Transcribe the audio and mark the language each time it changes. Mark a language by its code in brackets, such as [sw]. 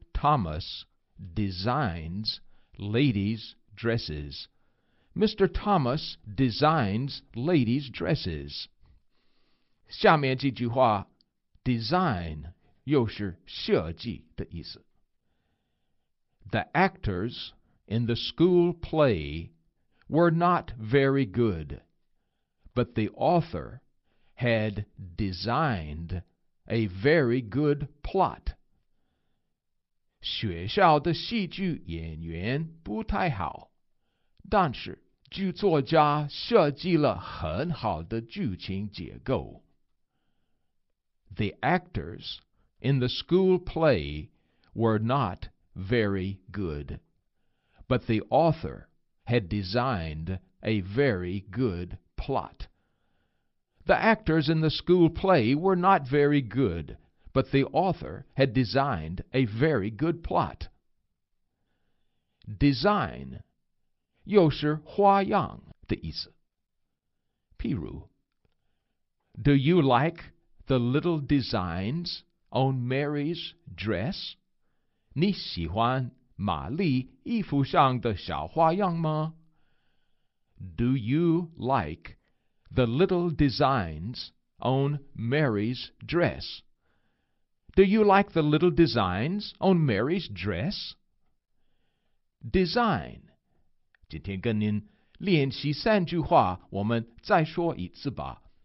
[en] Thomas designs ladies' dresses. Mr. Thomas designs ladies' dresses. [zh] 下面这句话 design 又是设计的意思。 [en] The actors in the school play were not very good, but the author had designed a very good plot. [zh] 学校的戏剧演员不太好，但是剧作家设计了很好的剧情结构。 [en] The actors in the school play were not very good, but the author had designed a very good plot. The actors in the school play were not very good, but the author had designed a very good plot. [zh] Design 又是花样的意思。譬如 [en] Do you like the little designs on Mary's dress? [zh] 你喜欢玛丽衣服上的小花样吗？ [en] Do you like the little designs on Mary's dress? Do you like the little designs on Mary's dress? Design. [zh] 今天跟您练习三句话，我们再说一次吧。